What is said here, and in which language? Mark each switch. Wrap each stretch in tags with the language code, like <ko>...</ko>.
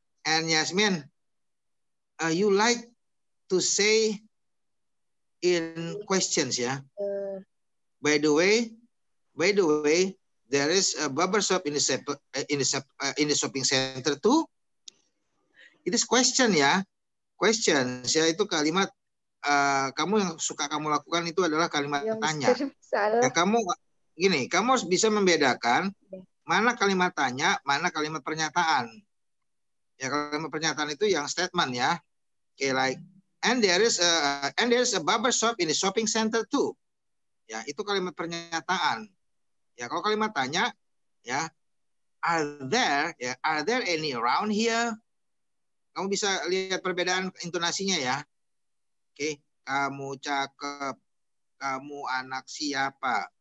<en>And Yasmin, you like to say in questions, yeah? By the way. There is a barber shop in the shopping center too. It is question</en> <id>ya, questions ya, itu kalimat kamu yang suka kamu lakukan itu adalah kalimat ya, tanya.</id> <en>Mister,</en> <id>ya, kamu harus bisa membedakan mana kalimat tanya, mana kalimat pernyataan. Ya kalimat pernyataan itu yang statement ya.</id> <en>Okay, like and there is a barber shop in the shopping center too.</en> <id>Ya itu kalimat pernyataan. Ya kalau kalimat tanya, ya</id> <en>are there any around here?</en> <id>Kamu bisa lihat perbedaan intonasinya ya. Oke, okay. Kamu cakep, kamu anak siapa?</id>